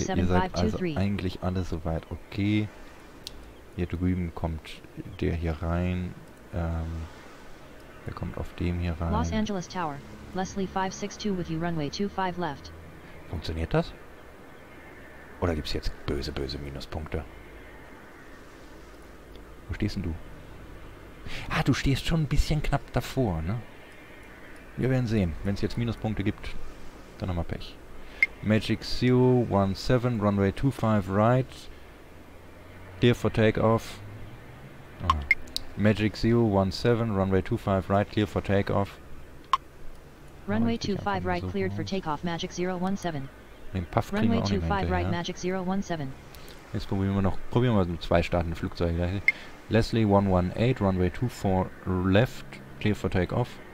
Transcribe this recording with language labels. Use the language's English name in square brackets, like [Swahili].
[German] Okay, ihr seid also eigentlich alle soweit okay. Hier drüben kommt der hier rein. Der kommt auf dem hier rein. [English] Los Angeles Tower, Leslie 562 with you, runway 25 left. [German] Funktioniert das? Oder gibt's jetzt böse, böse Minuspunkte? Wo stehst denn du? Ah, du stehst schon ein bisschen knapp davor, ne? Wir werden sehen. Wenn es jetzt Minuspunkte gibt, dann haben wir Pech. [English] Magic Zero 17, runway 25 right, clear for takeoff. Oh. Magic 017, runway 25 right, clear for takeoff. Runway 25 right, cleared for takeoff, Magic 017. [German] Den Puff kriegen [English] runway [German] wir auch nicht mehr hinterher. [English] Right, Magic 017. [German] Jetzt probieren wir mal mit zwei startenden Flugzeugen gleich. [English] Leslie 118, runway 24 left, clear for takeoff.